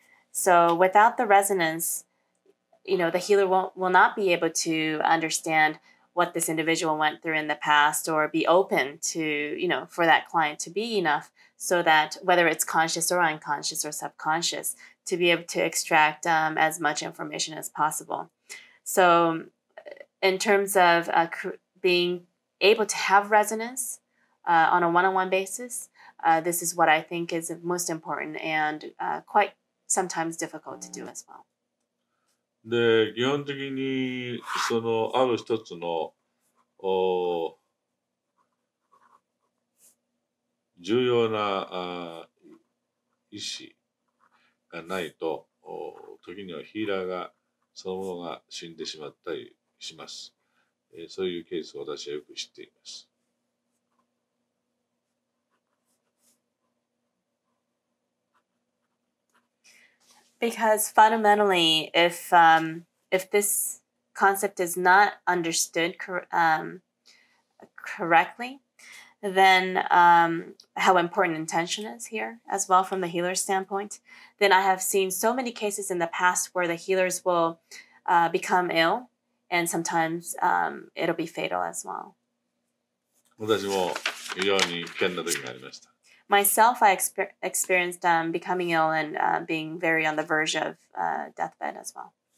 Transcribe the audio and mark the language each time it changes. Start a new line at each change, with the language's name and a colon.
English: So without the resonance, you know, the healer will not be able to understand what this individual went through in the past or be open to, you know, for that client to be enough so that whether it's conscious or unconscious or subconscious, to be able to extract as much information as possible. So in terms of being able to have resonance on a one-on-one basis, this is what I think is most important and quite sometimes difficult to do as well.
Japanese: で、基本的に、その、ある一つの、重要な、意思がないと、時にはヒーラーが、そのものが死んでしまったりします。そういうケースを私はよく知っています。
English: Because fundamentally, if this concept is not understood correctly, then how important intention is here as well from the healer's standpoint, then I have seen so many cases in the past where the healers will become ill, and sometimes it'll be fatal as well.
Japanese: 私も非常に危険な時がありました。
English: Myself, I experienced becoming ill and being very on the verge of deathbed as well.